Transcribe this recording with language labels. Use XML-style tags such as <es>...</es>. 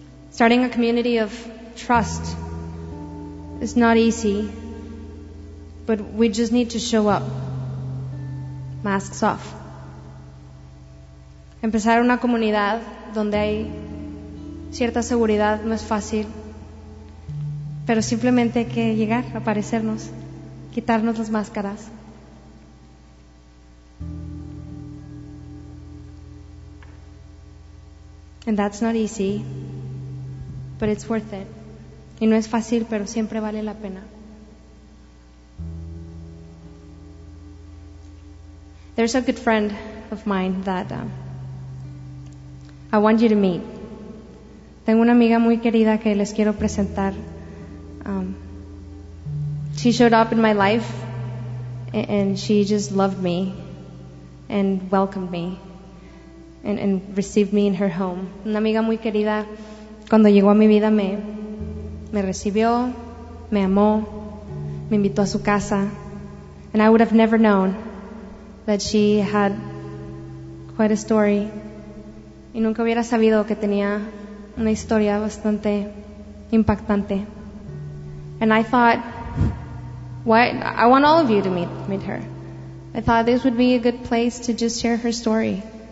<en>Starting a community of trust is not easy, but we just need to show up, masks off.</en> <es>Empezar una comunidad donde hay cierta seguridad no es fácil, pero simplemente hay que llegar, aparecernos, quitarnos las máscaras.</es> <en>And that's not easy, but it's worth it.</en> <es>Y no es fácil, pero siempre vale la pena.</es> <en>There's a good friend of mine that I want you to meet.</en> <es>Tengo una amiga muy querida que les quiero presentar.</es> <en>She showed up in my life and she just loved me and welcomed me and received me in her home.</en> <es>Una amiga muy querida cuando llegó a mi vida me recibió, me amó, me invitó a su casa.</es> <en>And I would have never known that she had quite a story.</en> <es>Y nunca hubiera sabido que tenía una historia bastante impactante.</es> <en>And I thought, why? I want all of you to meet her. I thought this would be a good place to just share her story.</en>